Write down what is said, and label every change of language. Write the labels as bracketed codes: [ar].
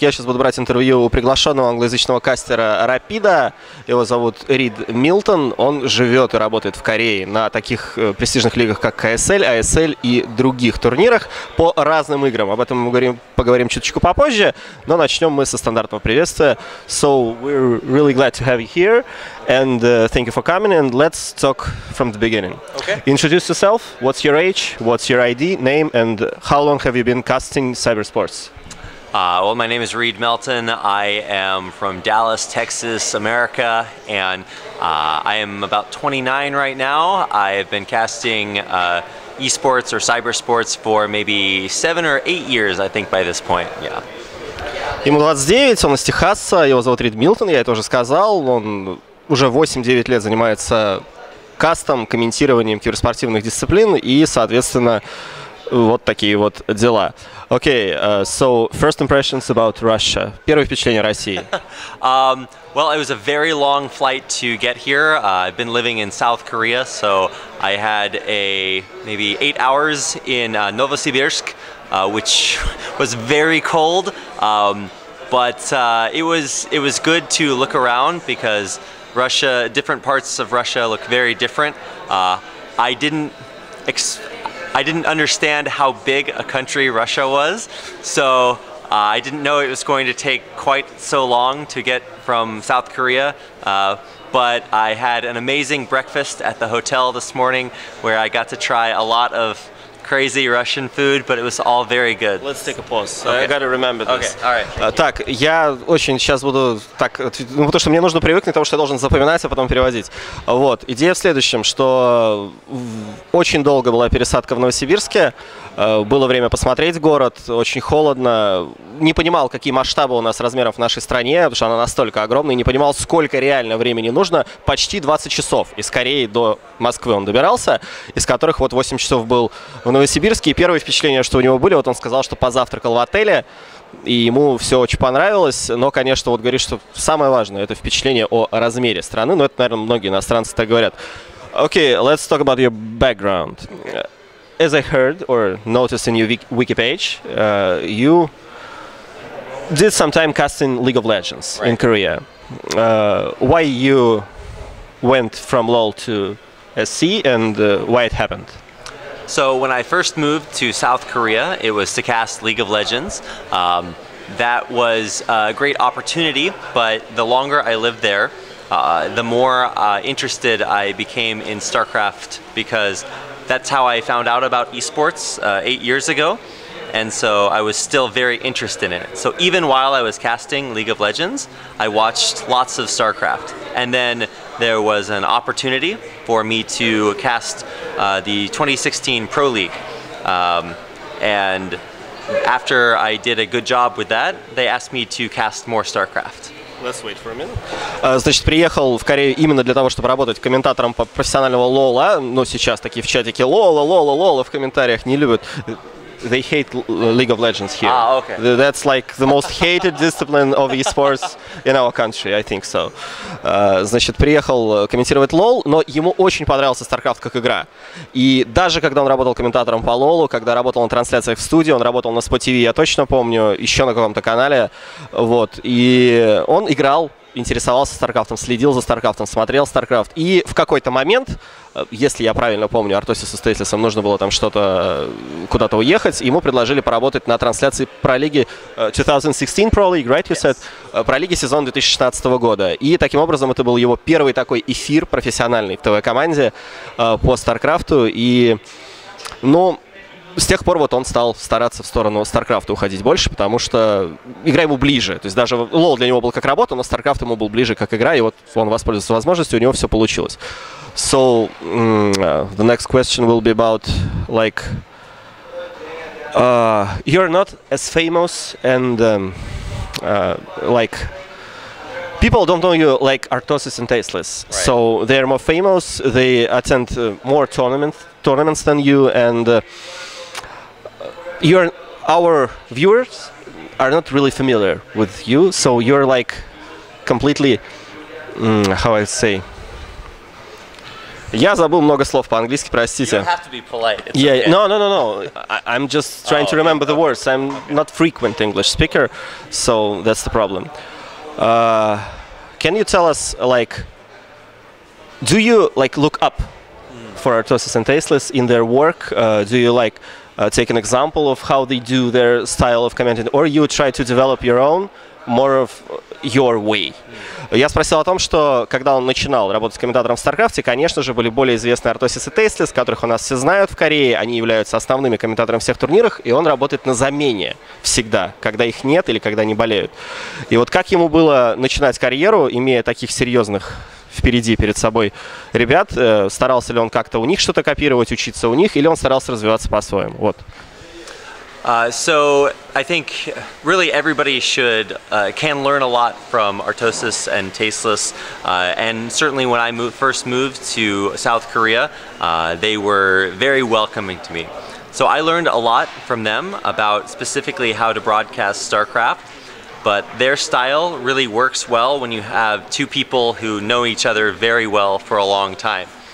[ru] Я сейчас буду брать интервью у приглашенного англоязычного кастера Rapida. Его зовут Рид Милтон. Он живет и работает в Корее на таких престижных лигах, как КСЛ, АСЛ и других турнирах по разным играм. Об этом мы поговорим чуточку попозже, но начнем мы со стандартного приветствия. [en] So, we're really glad to have you here, and thank you for coming, and let's talk from the beginning. Okay. Introduce yourself, what's your age, what's your ID, name, and how long have you been casting cyber sports? Well, my name is Rid Milton. I am from Dallas, Texas, America, and I am about 29 right now. I have been casting esports or cyber sports for maybe 7 or 8 years, I think, by this point. Yeah. [ru] Ему 29, он из Техаса, его зовут Рид Милтон, я это уже сказал. Он уже 8-9 лет занимается кастом, комментированием киберспортивных дисциплин и, соответственно, вот такие вот дела. [en] Okay, so first impressions about Russia. [ru] Первое впечатление о России. [en] Well, it was a very long flight to get here. I've been living in South Korea, so I had maybe 8 hours in Novosibirsk, which was very cold. But it was good to look around because Russia, different parts of Russia look very different. I didn't understand how big a country Russia was, so I didn't know it was going to take quite so long to get from South Korea, but I had an amazing breakfast at the hotel this morning where I got to try a lot of crazy Russian food, but it was all very good. Let's take a pause. So okay. I gotta remember this. Okay. All right. [ru] Так, я очень сейчас буду так, ну, потому что мне нужно привыкнуть к тому, что я должен запоминать, а потом переводить. Вот. Идея в следующем, что очень долго была пересадка в Новосибирске, было время посмотреть город, очень холодно, не понимал, какие масштабы у нас размеров в нашей стране, потому что она настолько огромная, и не понимал, сколько реально времени нужно, почти 20 часов из Кореи до Москвы он добирался, из которых вот 8 часов был в Новосибирске, и первые впечатления, что у него были, вот он сказал, что позавтракал в отеле, и ему все очень понравилось, но, конечно, вот говорит, что самое важное – это впечатление о размере страны, но это, наверное, многие иностранцы так говорят. [en] Okay, let's talk about your background. As I heard or noticed in your wiki page, you did some time casting League of Legends, right, in Korea. Why you went from LoL to SC, and why it happened? So when I first moved to South Korea, it was to cast League of Legends. That was a great opportunity, but the longer I lived there, the more interested I became in StarCraft, because that's how I found out about esports 8 years ago, and so I was still very interested in it. So even while I was casting League of Legends, I watched lots of StarCraft, and then there was an opportunity for me to cast the 2016 Pro League, and after I did a good job with that, they asked me to cast more StarCraft. Let's wait for a minute. [ru] Значит, приехал в Корею именно для того, чтобы работать комментатором по профессионального лола. Ну, сейчас такие в чатике лола, лола, лола в комментариях не любят. [en] They hate League of Legends here. Ah, okay. That's like the most hated discipline of esports in our country, I think so. [ru] Значит, приехал комментировать LoL, но ему очень понравился StarCraft как игра. И даже когда он работал комментатором по LoL, когда работал на трансляциях в студии, он работал на Spot TV, я точно помню, еще на каком-то канале, вот, и он играл, интересовался StarCraft'ом, следил за StarCraft'ом, смотрел StarCraft. И в какой-то момент, если я правильно помню, Артосису Стейтлесом нужно было там что-то куда-то уехать, ему предложили поработать на трансляции про лиги 2016 Pro League, [en] right, you said? Yes. [ru] Про лиги сезона 2016 года. И таким образом это был его первый такой эфир профессиональный в ТВ-команде по StarCraft'у. И, ну, с тех пор вот он стал стараться в сторону StarCraft уходить больше, потому что игра ему ближе. То есть даже LoL для него был как работа, но StarCraft ему был ближе как игра, и вот он воспользовался возможностью, у него все получилось. [en] So, the next question will be about, like, you're not as famous, and, like, people don't know you like Artosis and Tasteless. Right. So, they're more famous, they attend more tournaments than you, and our viewers are not really familiar with you, so you're like completely, how I say, [ru] Я забыл много слов по-английски, простите. [en] You don't have to be polite. It's yeah, okay. No. I'm just trying to remember the words. I'm not frequent English speaker, so that's the problem. Can you tell us, like, do you, like, look up for Artosis and Tasteless in their work? Do you, like, take an example of how they do their style of commenting, or you try to develop your own, more of your way? [ru] Я спросил о том, что когда он начинал работать комментатором в StarCraft, конечно же, были более известные Artosis и Tasteless, которых у нас все знают в Корее, они являются основными комментаторами всех турнирах, и он работает на замене всегда, когда их нет или когда они болеют. И вот как ему было начинать карьеру, имея таких серьезных впереди перед собой ребят, старался ли он как-то у них что-то копировать, учиться у них, или он старался развиваться по-своему? Вот. [en] So I think really everybody should can learn a lot from Artosis and Tasteless, and certainly when I first moved to South Korea, they were very welcoming to me. So I learned a lot from them about specifically how to broadcast StarCraft, but their style really works well when you have two people who know each other very well for a long time.